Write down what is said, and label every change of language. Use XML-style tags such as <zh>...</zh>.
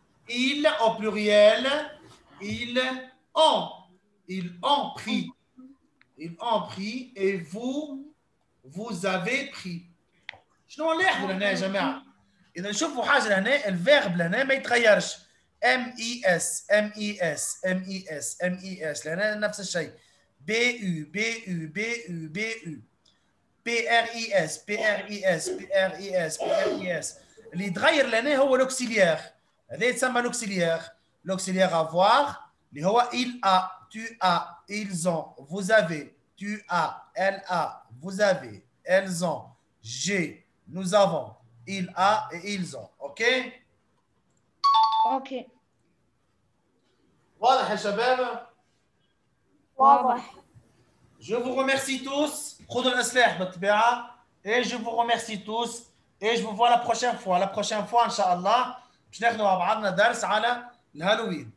<fr>Il au pluriel, ils ont pris. Ils ont pris et vous, vous avez pris.</fr> <ar>شنو هو اللي يحضر هنا يا جماعة؟ إذا نشوفوا حاجة هنا الفيرب هنا ما يتغيرش.</ar> <fr>M E S M E S M E S M E S لهنا نفس الشيء. B U B U B U B U P R E S P R E S P R E S P R E S اللي يتغير لهنا هو الأوكسيليير.</fr> <ar>هذا يتسمى الأوكسيليير. الأوكسيليير</ar> <fr>avoir</fr> <ar>اللي هو</ar> <fr>il a tu a ils ont vous avez tu a elle a vous avez elles ont j'ai nous avons il a et ils ont. OK. OK.</fr> <ar>واضح يا شباب؟ واضح.</ar> <fr>Je vous remercie tous.</fr> <ar>خذوا الأسلحة بالطبيعة.</ar> <fr>Et je vous remercie tous. Et je vous vois la prochaine fois. La prochaine fois, Inch'Allah.</fr> <ar>باش ناخذوا مع بعضنا درس على الهالوين.</ar>